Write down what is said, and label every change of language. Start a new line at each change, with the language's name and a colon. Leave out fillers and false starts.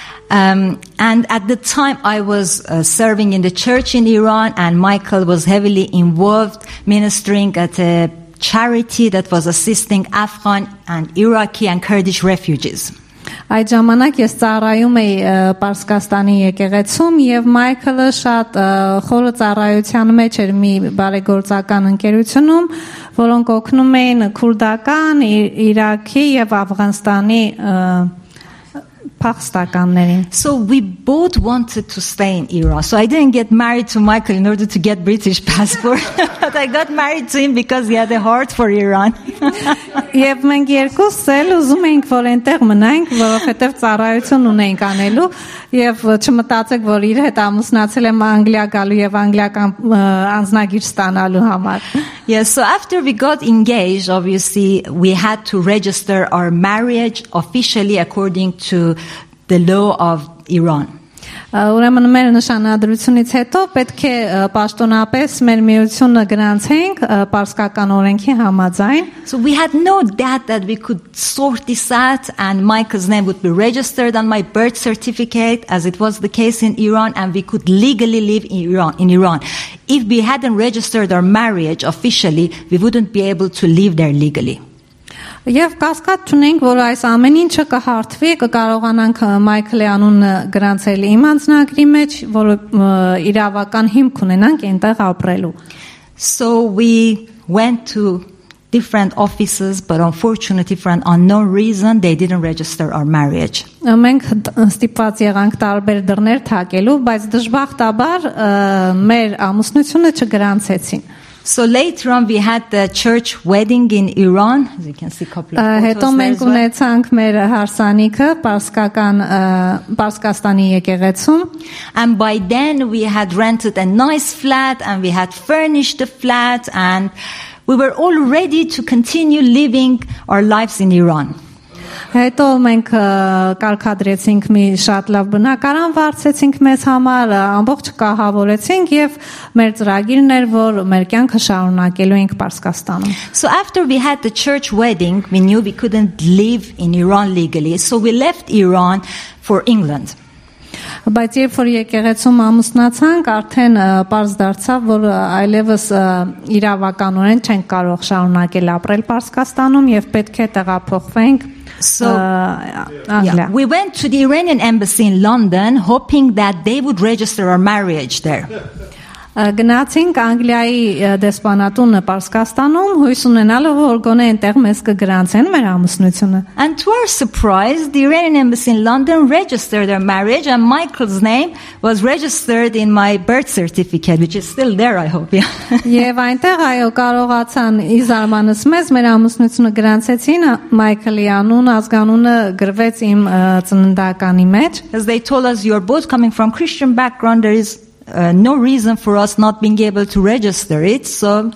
English: And at the time I was serving in the church in Iran and Michael was heavily involved ministering at a charity that was assisting Afghan and Iraqi and Kurdish refugees.
Armenian: Այդ ժամանակ ես ծառայում էի Պարսկաստանի եկեղեցում եւ Մայքլը շատ խորը ծառայության մեջ էր մի բարեգործական ընկերությունում, որոնք օգնում էին քուրդական, Իրաքի եւ Աֆղանստանի Փախստականներին.
English: So we both wanted to stay in Iran. So I didn't get married to Michael in order to get British passport, but I got married to him because he had a heart for Iran.
Armenian: Եվ մենք երկուսս էլ ուզում էինք, որ այնտեղ մնանք, որովհետև ծառայություն ունենք անելու, եւ չմտածեք, որ իր հետ ամուսնացել եմ Անգլիա գալու եւ անգլիական անձնագիր ստանալու համար.
English: Yes, so after we got engaged, obviously we had to register our marriage officially according to the law of Iran.
Armenian: Ուրեմն մեր նշանադրությունից հետո պետք է պաշտոնապես մեր միությունը գրանցենք պարսկական օրենքի համաձայն.
English: So we had no doubt that we could sort this out and Michael's name would be registered on my birth certificate as it was the case in Iran and we could legally live in Iran. If we hadn't registered our marriage officially, we wouldn't be able to live there legally.
Armenian: Եվ կասկած չունենք, որ այս ամեն ինչը կհարթվի, կկարողանանք Մայքլի անունը գրանցել իմ անձնագրի մեջ, որ իրավական հիմք ունենանք այնտեղ ապրելու։
English: So we went to different offices, but unfortunately for an unknown reason they didn't register our marriage.
Armenian: Մենք ստիպված եղանք տարբեր դռներ թակելու, բայց դժբախտաբար մեր ամուսնությունը չգրանցեցին։
English: So later on we had the church wedding in Iran, as you can see a couple of photos.
Armenian: Հետո մենք ունեցանք մեր հարսանիքը պարսկական պարսկաստանի եկեղեցում.
English: And by then we had rented a nice flat and we had furnished the flat and we were all ready to continue living our lives in Iran.
Armenian: Հետո մենք կարգադրեցինք մի շատ լավ բնակարան վարձեցինք մեզ համար, ամբողջ կահավորեցինք եւ մեր ծրագիրներ, որ մեր կյանքը շարունակելու ենք Պարսկաստանում։
English: So after we had the church wedding, we knew we couldn't live in Iran legally, so we left Iran for England.
Armenian: Բայց երբ որ եկեղեցում ամուսնացանք, արդեն պարզ դարձավ, որ այլևս իրավականորեն չենք կարող շարունակել ապրել Պարսկաստանում եւ պետք է տեղափոխվենք։
English: So yeah. We went to the Iranian embassy in London hoping that they would register our marriage there.
Armenian: Գնացինք Անգլիայի դեսպանատունը Պարսկաստանում հույս ունենալով որ գոնե այնտեղ մեզ կգրանցեն մեր ամուսնությունը.
English: And to our surprise the Iranian embassy in London registered our marriage and Michael's name was registered in my birth certificate which is still there I hope.
Armenian: Եվ այնտեղ այո կարողացան ի զարմանս մեզ մեր ամուսնությունը գրանցեցին Մայքլի անունը ազգանունը գրվեց իմ ծննդականի մեջ.
English: As they told us you're both coming from Christian background there is no reason for us not being able to register it so